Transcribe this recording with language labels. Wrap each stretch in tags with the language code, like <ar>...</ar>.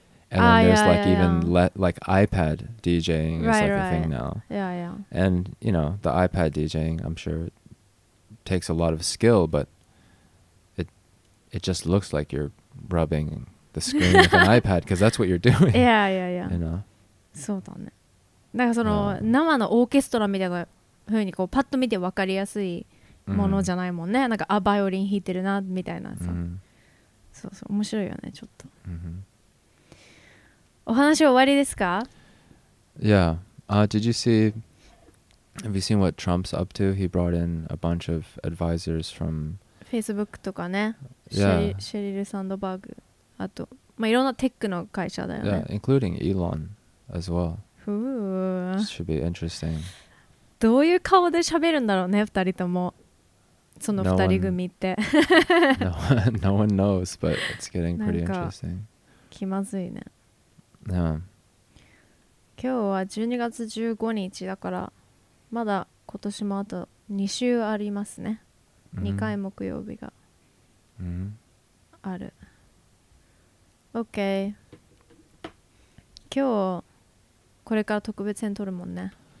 <en>And then there's like iPad DJing is right, like right. a thing now. Yeah, yeah. And, you know, the iPad DJing, I'm sure it takes a lot of skill, but it just looks like you're rubbing the screen with an iPad because that's what you're doing. Yeah, yeah, yeah. You know?</en> <ja>そうだね。なんかその生のオーケストラみたいな風にこうパッと見て分かりやすいものじゃないもんね。 Mm-hmm. なんかあ、バイオリン弾いてるなみたいなさ。 Mm-hmm. そうそう、面白いよね、ちょっと。 Mm-hmm. お話終わりですか?</ja> <en>Yeah. Have you seen what Trump's up to? He brought in a bunch of advisors from</en> <ja>Facebook とかね。 Yeah. シェリル・サンドバーグ。あと、まあ、いろんなテックの会社だよね。</ja> <en>Yeah, including Elon as well. Ooh. Should be interesting.</en> <ja>どういう顔で喋るんだろうね、二人とも。その二人組って</ja> <en>no one knows, but it's getting pretty interesting.</en> <ja>気まずいね、 yeah. 今日は12月15日だからまだ今年もあと2週ありますね、mm-hmm. 2回木曜日が、 mm-hmm. ある OK 今日これから特別編撮るもんね、</ja>